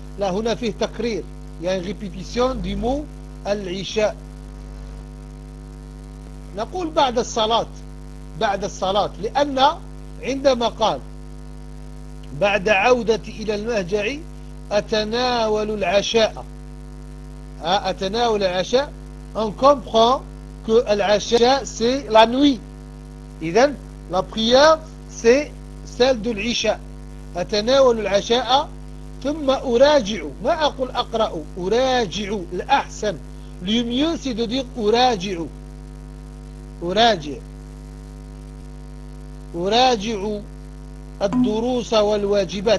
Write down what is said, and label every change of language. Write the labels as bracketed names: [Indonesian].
[Arabic] لا، هنا فيه تكرير، يعني ريبيتيسيون دي مو العشاء، نقول بعد الصلاة، بعد الصلاة، لأن عندما قال بعد عودتي إلى المهجع أتناول العشاء، أتناول العشاء، [French] on comprend que [Arabic] العشاء [French] c'est la nuit. إذن la prière c'est celle de العشاء. [Arabic] أتناول العشاء ثم أراجع، ما أقول أقرأ، أراجع الأحسن. [French] Le mieux c'est de dire [Arabic] أراجع، أراجع، أراجع الدروس والواجبات.